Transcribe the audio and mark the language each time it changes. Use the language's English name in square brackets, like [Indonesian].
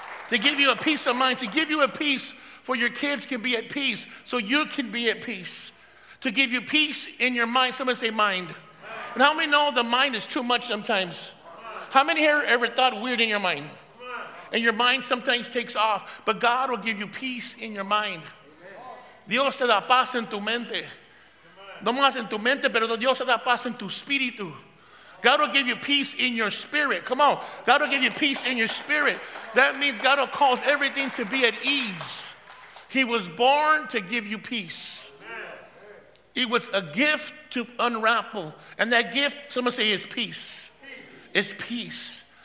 [English] To give you a peace of mind. To give you a peace for your kids can be at peace so you can be at peace. To give you peace in your mind. Someone say mind. And how many know the mind is too much sometimes? How many here ever thought weird in your mind? And your mind sometimes takes off, but God will give you peace in your mind. [Spanish] Dios te da paz en tu mente. No más en tu mente, pero Dios te da paz en tu espíritu. [English] God will give you peace in your spirit. Come on. God will give you peace in your spirit. That means God will cause everything to be at ease. He was born to give you peace. It was a gift to unravel. And that gift, someone say, is peace. It's peace.